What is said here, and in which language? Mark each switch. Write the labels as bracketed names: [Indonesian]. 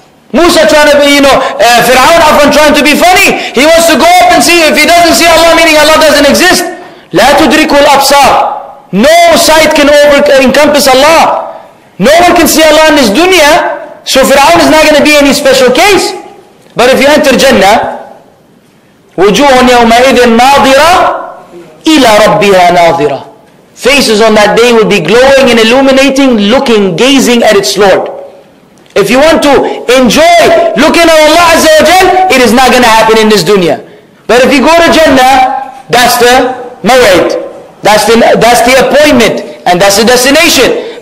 [English] Musa trying to be, you know, Fir'aun often trying to be funny. He wants to go up and see. If he doesn't see Allah, meaning Allah doesn't exist. [Arabic] لا تدرك الأبصار. [English] No sight can over encompass Allah. No one can see Allah in this dunya. So Fir'aun is not going to be any special case. But if you enter Jannah, [Arabic] وَجُوهٌ يَوْمَئِذٍ نَاظِرَةٌ إِلَى رَبِّهَا نَاظِرَةٌ. [English] Faces on that day will be glowing and illuminating, looking, gazing at its Lord. If you want to enjoy looking at Allah Azza wa Jal, it is not going to happen in this dunya. But if you go to Jannah, that's the mawid. That's the appointment. And that's the destination.